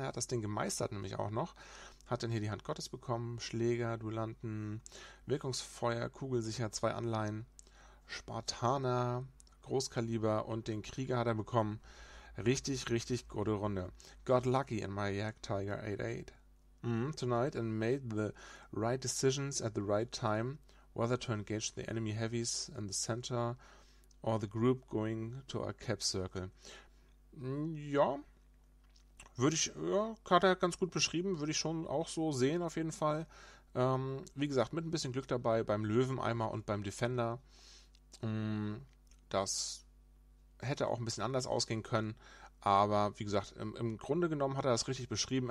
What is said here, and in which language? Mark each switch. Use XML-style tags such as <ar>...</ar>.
<de>Er hat das Ding gemeistert nämlich auch noch. Hat dann hier die Hand Gottes bekommen. Schläger, Duellanten, Wirkungsfeuer, Kugelsicher, 2 Anleihen, Spartaner, Großkaliber und den Krieger hat er bekommen. Richtig, richtig gute Runde.</de> <en>Got lucky in my Jagdtiger 88. Tonight and made the right decisions at the right time. Whether to engage the enemy heavies in the center or the group going to a cap circle.</en> <de>Ja, würde ich, ja, hat er ganz gut beschrieben, würde ich schon auch so sehen auf jeden Fall. Wie gesagt, mit ein bisschen Glück dabei beim Löwen-Eimer und beim Defender. Das hätte auch ein bisschen anders ausgehen können. Aber wie gesagt, im Grunde genommen hat er das richtig beschrieben.</de>